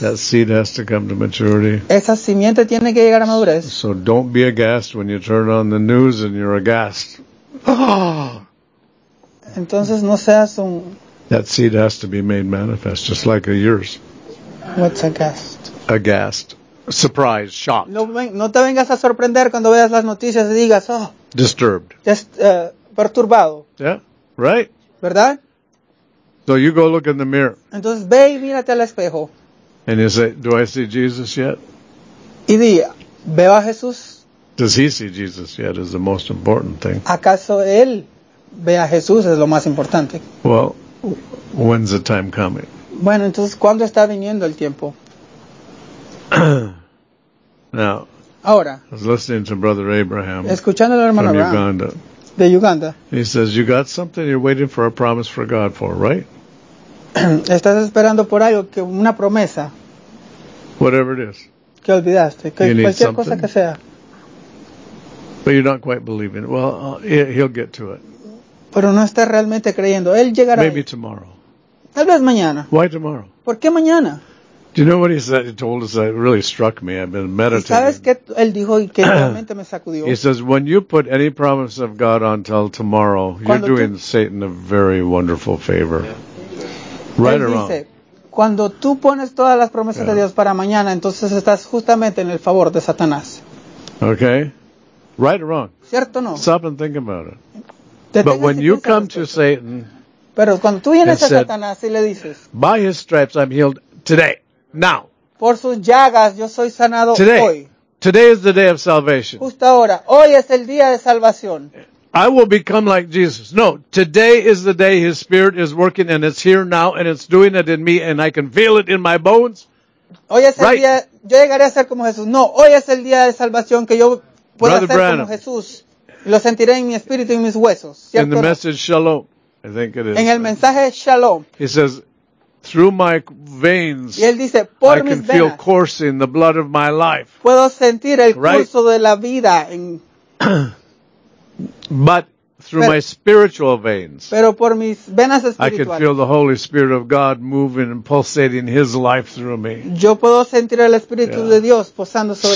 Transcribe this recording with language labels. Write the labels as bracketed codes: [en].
[en] that seed has to come to maturity. [es] Esa simiente tiene que llegar a madurez. [en] So don't be aghast when you turn on the news and you're aghast. [es] Entonces, no seas un... [en] That seed has to be made manifest, just like yours. What's aghast? Aghast. Surprise, shocked. [es] No te vengas a sorprender cuando veas las noticias y digas, oh. [en] Disturbed. [es] Perturbado. [en] Yeah, right. [es] ¿Verdad? [en] So you go look in the mirror. [es] Entonces ve y mírate al espejo. [en] And you say, do I see Jesus yet? [es] Y di, ¿veo a Jesús? [en] Does he see Jesus yet is the most important thing. [es] ¿Acaso él ve a Jesús es lo más importante? [en] Well, when's the time coming? [es] Bueno, entonces, ¿cuándo está viniendo el tiempo? [en] Now, [es] ahora, [en] I was listening to Brother Abraham, [es] escuchando al hermano from Abraham. [en] Uganda. [es] De Uganda. [en] He says, you got something you're waiting for a promise for God for, right? [es] Estás esperando por algo, que una promesa. [en] Whatever it is. [es] Que olvidaste, que cualquier something. Cosa que sea. [en] But you're not quite believing it. Well, he'll get to it. [es] Pero no estás realmente creyendo. Él llegará. [en] Maybe tomorrow. [es] Tal vez mañana. [en] Why tomorrow? [es] ¿Por qué mañana? [en] Do you know what he said? He told us that it really struck me. I've been meditating. [es] ¿Sabes qué él dijo y que realmente me sacudió? [en] He says, when you put any promise of God on till tomorrow, you're doing Satan a very wonderful favor. Right or wrong? [es] Cuando tú pones todas las promesas de Dios para mañana, entonces estás justamente en el favor de Satanás. [en] Okay. Right or wrong? [es] ¿Cierto o no? [en] Stop and think about it. But when you come to Satan, [es] pero cuando tú vienes a Satanás y le dices, [en] by his stripes I'm healed today, now. [es] Por sus llagas yo soy sanado [en] today. [es] Hoy. [en] Today is the day of salvation. [es] Justo ahora. Hoy es el día de salvación. [en] I will become like Jesus. No, today is the day his spirit is working and it's here now and it's doing it in me and I can feel it in my bones. [es] Hoy es el día, yo llegaré a ser como Jesús. No, hoy es el día de salvación que yo puedo [en] Brother [es] ser [en] Branham. [es] Como Jesús. Lo sentiré en mi espíritu y en mis huesos. ¿Cierto? [en] In the message Shalom, I think it is. [es] En el mensaje Shalom. [en] He says, through my veins, [es] y él dice, por [en] I [es] mis [en] can [es] venas, [en] feel coursing the blood of my life. [es] Puedo sentir el curso [en] right? [es] de la vida. En... [en] But through pero, my spiritual veins, [es] pero por mis venas espirituales, [en] I can feel the Holy Spirit of God moving and pulsating his life through me. [es] Yo puedo sentir el Espíritu de Dios posando sobre